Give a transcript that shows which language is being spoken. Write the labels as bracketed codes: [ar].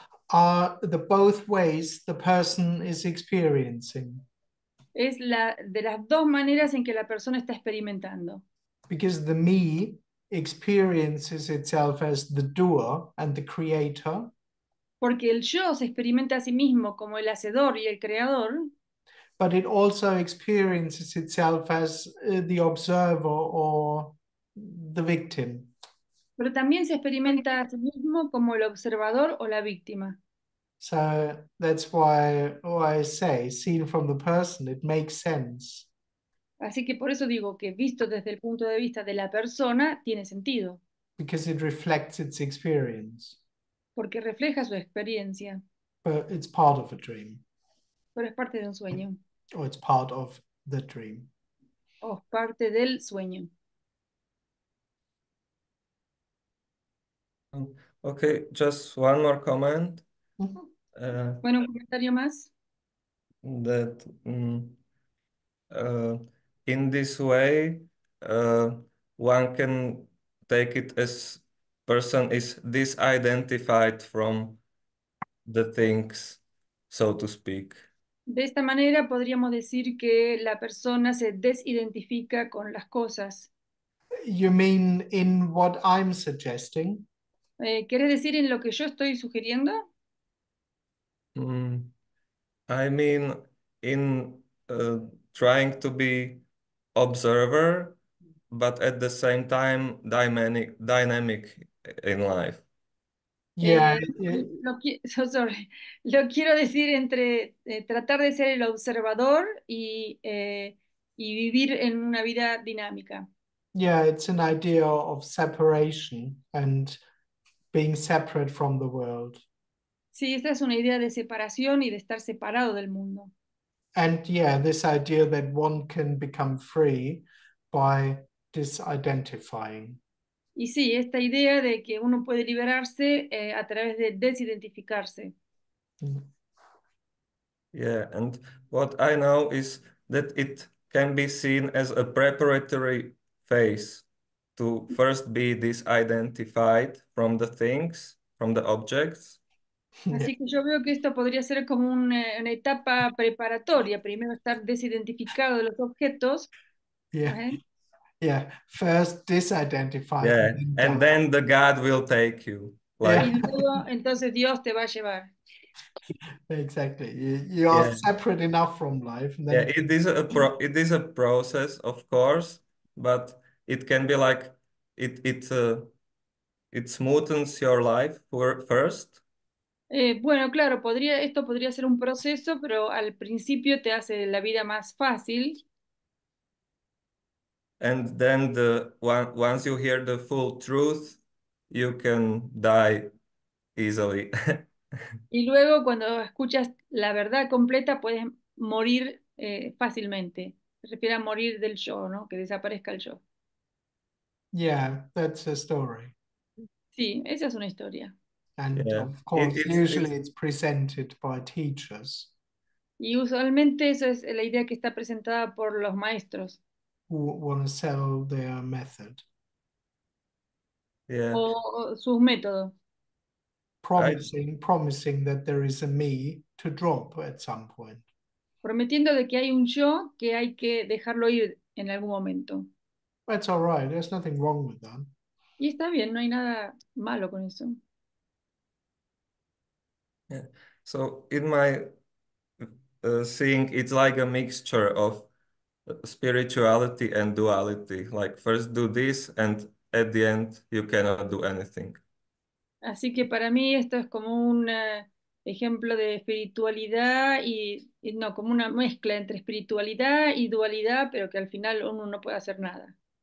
[en] are the both ways the person is experiencing. [es] Es la de las dos maneras en que la persona está experimentando. [en] Because the me experiences itself as the doer and the creator. [es] Porque el yo se experimenta a sí mismo como el hacedor y el creador. [en] But it also experiences itself as the observer or the victim. [es] Pero también se experimenta a sí mismo como el observador o la víctima. [en] So that's why I say, seen from the person, it makes sense. [es] Así que por eso digo que visto desde el punto de vista de la persona, tiene sentido. [en] Because it reflects its experience. [es] Porque refleja su experiencia. [en] But it's part of a dream. [es] Pero es parte de un sueño. [en] Or it's part of the dream. [es] O es parte del sueño. [en] Okay, just one more comment. [es] Bueno, un comentario más. [en] That in this way one can take it as person is disidentified from the things, so to speak. [es] De esta manera podríamos decir que la persona se desidentifica con las cosas. [en] You mean in what I'm suggesting? [es] ¿Quieres decir en lo que yo estoy sugiriendo? [en] I mean, in trying to be observer, but at the same time dynamic in life. Yeah. [es] Lo quiero decir entre tratar de ser el observador y vivir en una vida dinámica. [en] Yeah, it's an idea of separation and being separate from the world. [es] Sí, esta es una idea de separación y de estar separado del mundo. [en] And yeah, this idea that one can become free by disidentifying. [es] Y sí, esta idea de que uno puede liberarse a través de desidentificarse. [en] Yeah, and what I know is that it can be seen as a preparatory phase to first be disidentified from the things, from the objects. [es] Así que yo veo que esto podría ser como una etapa preparatoria, primero estar desidentificado de los objetos. [en] Yeah, first disidentify. Yeah, and then the God will take you. [es] Entonces Dios te va a llevar. [en] Exactly. You are separate enough from life. And then yeah, it is a process, of course, but it can be like it smoothens your life first. [es] Bueno, claro, esto podría ser un proceso, pero al principio te hace la vida más fácil. [en] And then the once you hear the full truth, you can die easily. [es] Y luego cuando escuchas la verdad completa, puedes morir fácilmente. Se refiere a morir del yo, ¿no? Que desaparezca el yo. [en] Yeah, that's a story. [es] Sí, esa es una historia. [en] And of course, usually it's presented by teachers. [es] Y usualmente esa es la idea que está presentada por los maestros. [en] Who want to sell their method. Yeah. [es] O sus métodos. [en] Promising that there is a me to drop at some point. [es] Prometiendo de que hay un yo que hay que dejarlo ir en algún momento. [en] That's all right. There's nothing wrong with that. [es] Y está bien, no hay nada malo con eso. [en] Yeah. So in my seeing, it's like a mixture of spirituality and duality. Like first do this, and at the end you cannot do anything. [es] Así que para mí esto es como un ejemplo de espiritualidad y no como una mezcla entre espiritualidad y dualidad, pero que al final uno no puede hacer nada.